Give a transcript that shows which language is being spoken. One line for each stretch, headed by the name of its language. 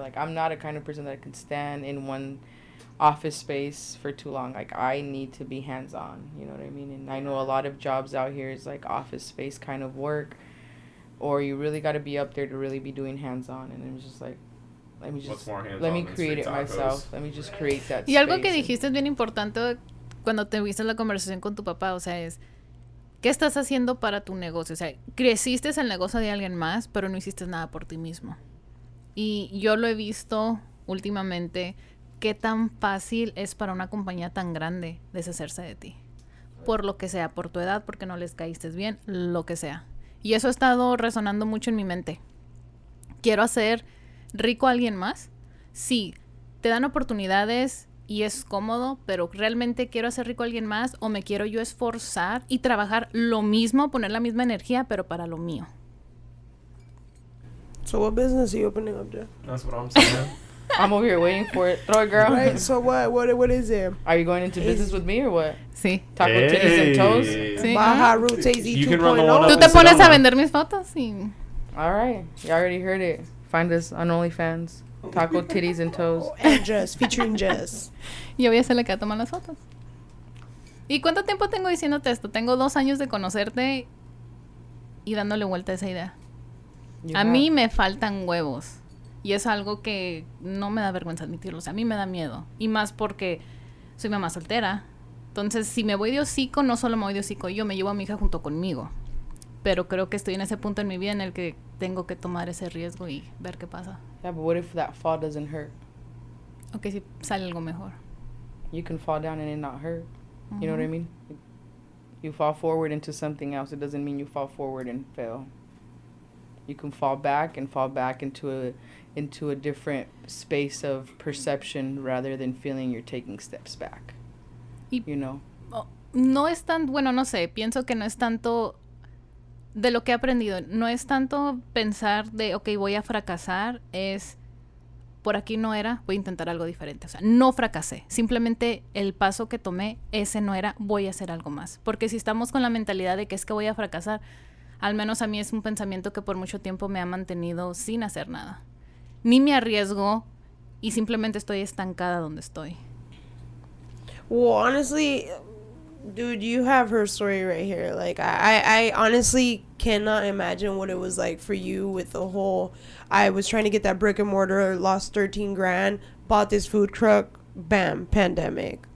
English: Like, I'm not a kind of person that I can stand in one office space for too long. Like, I need to be hands-on, you know what I mean? And I know a lot of jobs out here is like office space kind of work, or you really got to be up there to really be doing hands-on. And I'm just like, let me create that.
Spanish: Y algo que dijiste es bien importante cuando tuviste la conversación con tu papá, o sea, es ¿qué estás haciendo para tu negocio? O sea, creciste el negocio de alguien más, pero no hiciste nada por ti mismo. Y yo lo he visto últimamente. ¿Qué tan fácil es para una compañía tan grande deshacerse de ti? Por lo que sea, por tu edad, porque no les caíste bien, lo que sea. Y eso ha estado resonando mucho en mi mente. ¿Quiero hacer rico a alguien más? Sí, te dan oportunidades y es cómodo, pero ¿realmente quiero hacer rico a alguien más? ¿O me quiero yo esforzar y trabajar lo mismo, poner la misma energía, pero para lo mío?
English: So what business are you opening up, Jeff? That's what I'm saying. I'm over here waiting for it. Throw it, girl. Right, so what is it? Are you going into business with me or what?
Spanish: Sí.
English: Taco titties and toes?
Spanish: Sí. Baja Route AZ 2.0. Tú te pones a vender mis fotos y...
English: All right. You already heard it. Find us on OnlyFans. Taco titties and toes. And Jess, featuring Jess.
Spanish: Yo voy a ser la que va a tomar las fotos. ¿Y cuánto tiempo tengo diciéndote esto? Tengo 2 años de conocerte y dándole vuelta a esa idea. Mí me faltan huevos. Y es algo que no me da vergüenza admitirlo. O sea, a mí me da miedo. Y más porque soy mamá soltera. Entonces, si me voy de hocico, no solo me voy de hocico yo, me llevo a mi hija junto conmigo. Pero creo que estoy en ese punto en mi vida en el que tengo que tomar ese riesgo y ver qué pasa.
English: Yeah, but what if that fall doesn't hurt?
Spanish: Okay, si sale algo mejor.
English: You can fall down and it not hurt. Mm-hmm. You know what I mean? You fall forward into something else. It doesn't mean you fall forward and fail. You can fall back into a different space of perception rather than feeling you're taking steps back. You know?
Spanish: No es tan, bueno, no sé, pienso que no es tanto de lo que he aprendido. No es tanto pensar de, okay, voy a fracasar, es por aquí no era, voy a intentar algo diferente. O sea, no fracasé. Simplemente el paso que tomé, ese no era, voy a hacer algo más. Porque si estamos con la mentalidad de que es que voy a fracasar, al menos a mí es un pensamiento que por mucho tiempo me ha mantenido sin hacer nada. Ni me arriesgo y simplemente estoy estancada donde estoy.
English: Well, honestly, dude, you have her story right here. Like, I honestly cannot imagine what it was like for you with the whole, I was trying to get that brick and mortar, lost 13 grand, bought this food truck, bam, pandemic.